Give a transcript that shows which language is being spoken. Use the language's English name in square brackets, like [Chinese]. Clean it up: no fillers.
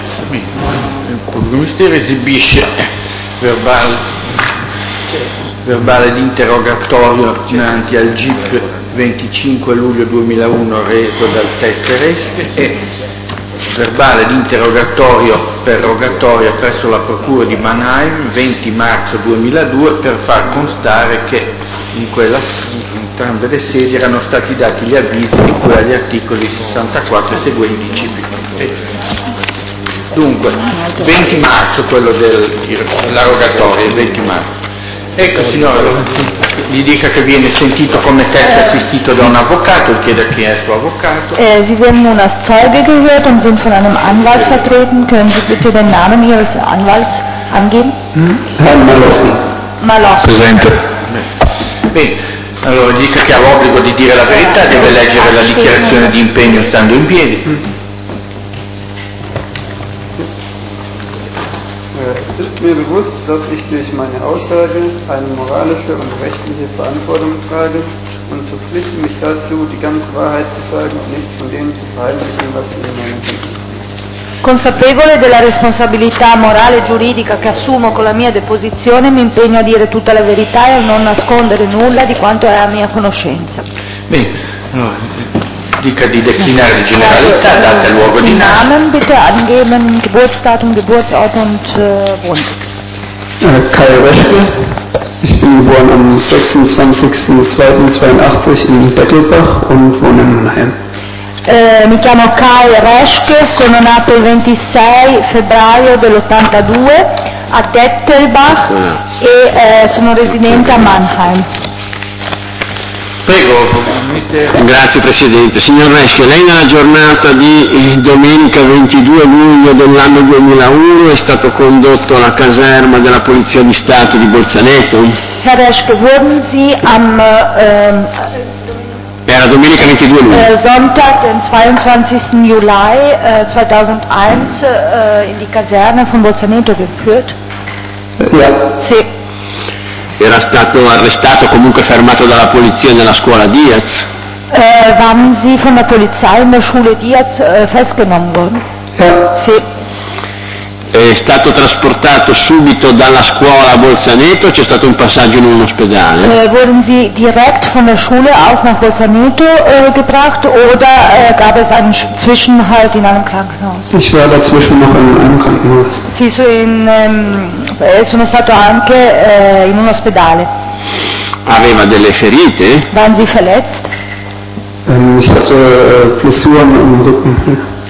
[Italian] Il pubblico ministero esibisce verbale, verbale di interrogatorio davanti al GIP 25 luglio 2001 reso dal test Reschke e verbale di interrogatorio per rogatoria presso la procura di Mannheim 20 marzo 2002 per far constare che in entrambe le sedi erano stati dati gli avvisi di cui agli articoli 64 e seguenti CP. Dunque, 20 marzo quello della rogatoria, 20 marzo. Ecco, signora, gli dica che viene sentito come testa assistito da un avvocato, chieda chi è il suo avvocato. [German] Sie werden nun als Zeuge gehört und sind von einem Anwalt vertreten. Können Sie bitte den Namen Ihres Anwalts angeben? [Italian] Malossi. Presente. Bene, allora gli dica che ha l'obbligo di dire la verità, deve leggere la dichiarazione di impegno stando in piedi. [German] Es ist mir bewusst, dass ich durch meine Aussage eine moralische und rechtliche Verantwortung trage und verpflichte mich dazu, die ganze Wahrheit zu sagen und nichts von dem zu verheimlichen, was Sie in meinem Leben sehen. [Italian] Consapevole della responsabilità morale e giuridica che assumo con la mia deposizione, mi impegno a dire tutta la verità e a non nascondere nulla di quanto è a mia conoscenza. Bene, dica di declinare di generalità, date luogo di nascita. [German] Namen bitte angeben, Geburtsdatum, Geburtsort und Wohnsitz. Kai Reschke, ich bin geboren am 26.02.82 in Bettelbach und wohne in Mannheim. [Italian] Mi chiamo Kai Reschke, sono nato il 26 febbraio dell'82 a Tettelbach e sono residente a Mannheim. Prego, ministero. Grazie Presidente. Signor Reschke, lei nella giornata di domenica 22 luglio dell'anno 2001 è stato condotto alla caserma della Polizia di Stato di Bolzaneto? [German] Herr Reschke, wurden Sie am... [Italian] Era domenica 22 luglio. [German] Sonntag, den 22. Juli 2001, in die Kaserne von Bolzaneto geführt? Ja. [Italian] Sì. Era stato arrestato, comunque fermato dalla polizia nella scuola Diaz? [German] Waren Sie von der Polizei in der Schule Diaz festgenommen worden? Ja. [Italian] Sì. È stato trasportato subito dalla scuola a Bolzaneto, c'è stato un passaggio in un ospedale? [German] Wurden Sie direkt von der Schule aus nach Bolzaneto gebracht oder gab es einen Zwischenhalt in einem Krankenhaus? Ich war dazwischen noch in einem Krankenhaus. [Italian] Sì, sono stato anche in un ospedale. Aveva delle ferite? [German] Waren Sie verletzt? Ich hatte Blessuren im Rücken.